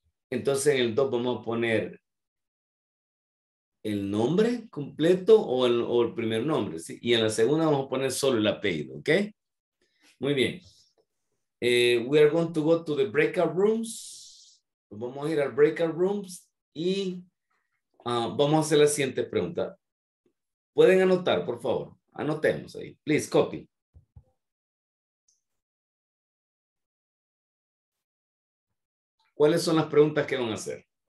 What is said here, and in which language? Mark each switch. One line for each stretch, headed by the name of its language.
Spanish: Entonces en el 2 vamos a poner el nombre completo o el primer nombre, ¿sí? Y en la segunda vamos a poner solo el apellido, ¿ok? Muy bien.
English: We are going to go to the breakout rooms.
Spanish: Vamos a ir al breakout rooms y vamos a hacer la siguiente pregunta. Pueden anotar, por favor. Anotemos ahí.
English: Please, copy.
Spanish: ¿Cuáles son las preguntas que van a hacer?